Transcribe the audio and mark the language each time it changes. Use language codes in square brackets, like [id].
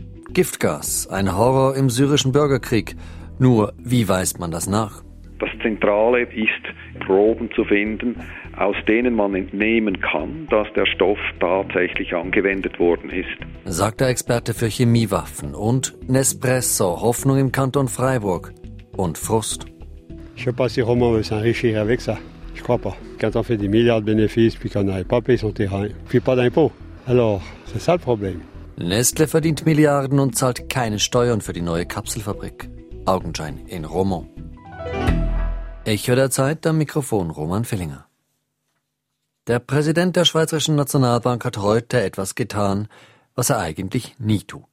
[de] Giftgas, ein Horror im syrischen Bürgerkrieg. Nur, wie weist man das nach? Das Zentrale ist, Proben zu finden, aus denen man entnehmen kann, dass der Stoff tatsächlich angewendet worden ist. Sagt der Experte für Chemiewaffen und Nespresso, Hoffnung im Kanton Freiburg. Und Frust. [fr] Je sais pas si Romain veut s'enrichir avec ça. Je crois pas. Quand on fait des milliards de bénéfices, puis qu'on n'a pas payé son terrain, puis pas d'impôts. Alors, c'est ça le problème. [de] Nestlé verdient Milliarden und zahlt keine Steuern für die neue Kapselfabrik. Augenschein in Romont. Echo der Zeit, am Mikrofon Roman Fillinger. Der Präsident der Schweizerischen Nationalbank hat heute etwas getan, was er eigentlich nie tut.